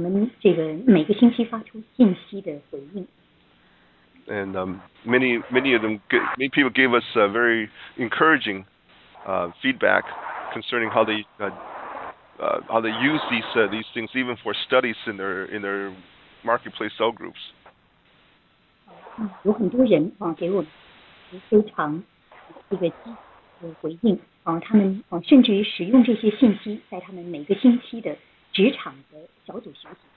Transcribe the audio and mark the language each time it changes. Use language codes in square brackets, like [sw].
[zh] 那这次我在亚洲的时候，我收到了许多我们这个每个星期发出信息的回应。 [en] And many people gave us very encouraging feedback concerning how they use these things even for studies in their marketplace cell groups. [zh] 有很多人给我们非常 一个回应，他们甚至于使用这些信息在他们每个星期的职场的小组学习。